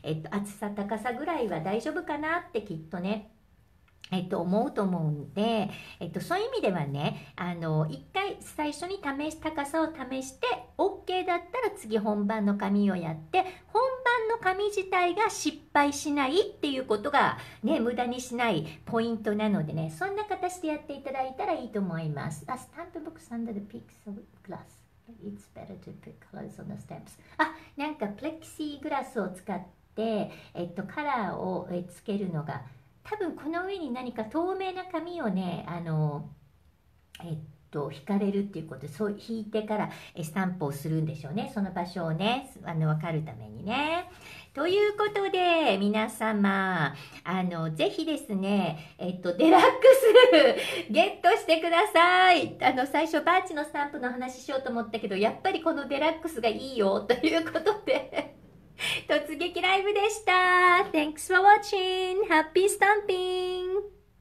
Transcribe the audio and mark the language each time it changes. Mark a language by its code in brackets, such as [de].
[ja] 厚さ高さぐらいは大丈夫かなってきっとね思うと思うんで、そういう意味ではね、一回最初に試し、高さを試して、OK だったら次本番の紙をやって、本番の紙自体が失敗しないっていうことがね、無駄にしないポイントなのでね、そんな形でやっていただいたらいいと思います。 [en] A stamp book under the pixel glass. It's better to put colors on the stamps. [ja] あ、なんかプレキシーグラスを使って、カラーをつけるのが、多分この上に何か透明な紙をね、引かれるっていうことで、そう引いてからスタンプをするんでしょうね。その場所をね、分かるためにね。ということで、皆様、ぜひですね、デラックスゲットしてください。最初バーチのスタンプの話しようと思ったけど、やっぱりこのデラックスがいいよ、ということで。突撃ライブでした。 [en] Thanks for watching. Happy stamping!